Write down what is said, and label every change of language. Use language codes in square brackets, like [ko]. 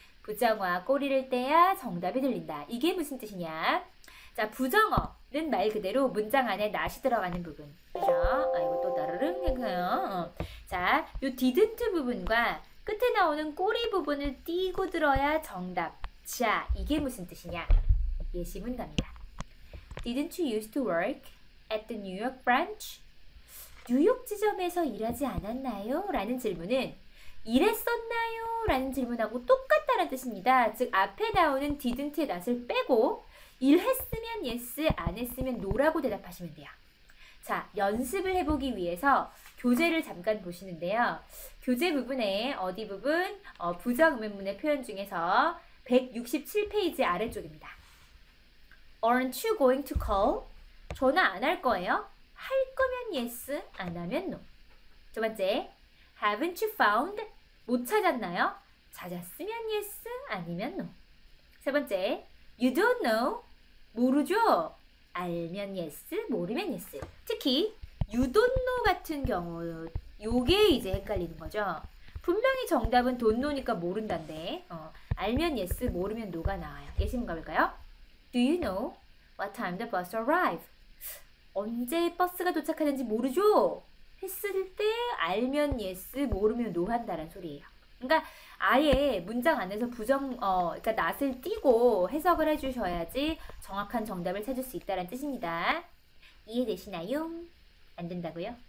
[ko] 부정어와 꼬리를 떼야 정답이 들린다. 이게 무슨 뜻이냐? 자, 부정어는 말 그대로 문장 안에 낫이 들어가는 부분. 그죠? 아이고, 또 나르릉 해가요. 자, 요 didn't 부분과 끝에 나오는 꼬리 부분을 띄고 들어야 정답. 자, 이게 무슨 뜻이냐? 예시문 갑니다. [en] Didn't you used to work at the New York branch? [ko] 뉴욕 지점에서 일하지 않았나요? 라는 질문은 일했었나요? 라는 질문하고 똑같다는 뜻입니다. 즉, 앞에 나오는 didn't의 낫을 빼고, 일했으면 yes, 안 했으면 no라고 대답하시면 돼요. 자, 연습을 해보기 위해서 교재를 잠깐 보시는데요. 교재 부분에 어디 부분? 부정 의문문의 표현 중에서 167페이지 아래쪽입니다. [en] Aren't you going to call? [ko] 전화 안할 거예요? 할 거면 yes, 안 하면 no. 두 번째, [en] haven't you found? [ko] 못 찾았나요? 찾았으면 yes, 아니면 no. 세 번째, [en] you don't know? [ko] 모르죠? 알면 yes, 모르면 yes. 특히 [en] you don't know [ko] 같은 경우, 요게 이제 헷갈리는 거죠. 분명히 정답은 [en] don't know [ko] 니까 모른단데, 알면 yes, 모르면 no가 나와요. 예시문 가볼까요? [en] Do you know what time the bus arrive? [ko] 언제 버스가 도착하는지 모르죠? 했을 때 알면 yes, 모르면 no 한다는 소리예요. 그러니까 아예 문장 안에서 그러니까 낫을 띄고 해석을 해주셔야지 정확한 정답을 찾을 수 있다는 뜻입니다. 이해되시나요? 안 된다고요?